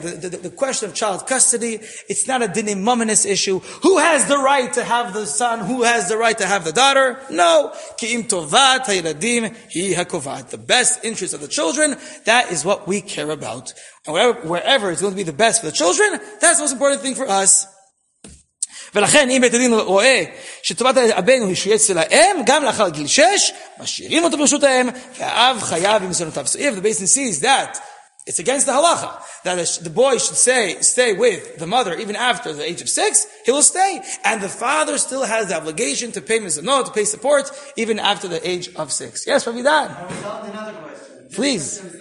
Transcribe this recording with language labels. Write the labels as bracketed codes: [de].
[en] The question of child custody, it's not a dinim mominus issue. Who has the right to have the son? Who has the right to have the daughter? No. [he] Ki im tovat ha'yeladim hi hakovat. [en] The best interest of the children, that is what we care about. [he] And wherever it's going to be the best for the children, that's the most important thing for us. ולכן אם בית הדין רואה שטובת הבן הוא שיהיה אצל האם גם לאחר גיל 6 משאירים אותו ברשות האם והאב חייב עם זונותיו. [en] So if the Beis Din sees that it's against the halacha that the boy should stay with the mother even after the age of 6, he will stay, and the father still has the obligation to pay mizonot, to pay support even after the age of 6. Yes, Rabbi Dan. Another question, please.